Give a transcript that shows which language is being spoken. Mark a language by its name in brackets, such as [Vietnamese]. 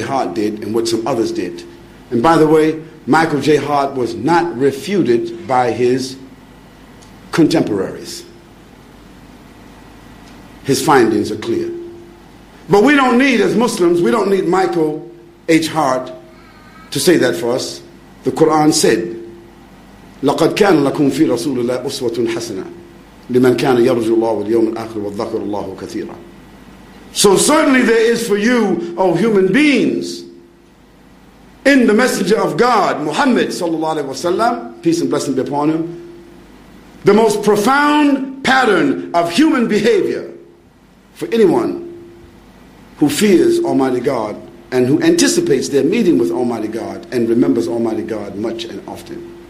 [English] Hart did and what some others did. And by the way, Michael J. Hart was not refuted by his contemporaries. His findings are clear. But we don't need, as Muslims, we don't need Michael H. Hart to say that for us. The Quran said, [Arabic] لَقَدْ كَانَ لَكُمْ فِي رَسُولِ اللَّهِ أُسْوَةٌ حَسَنًا لِمَنْ كَانَ يَرْجُوا اللَّهُ وَالْيَوْمِ الْآخِرِ وَالذَّكَرُ اللَّهُ كَثِيرًا. [English] So certainly there is for you, O human beings, in the Messenger of God, Muhammad sallallahu alaihi wasallam, peace and blessing be upon him, the most profound pattern of human behavior for anyone who fears Almighty God and who anticipates their meeting with Almighty God and remembers Almighty God much and often.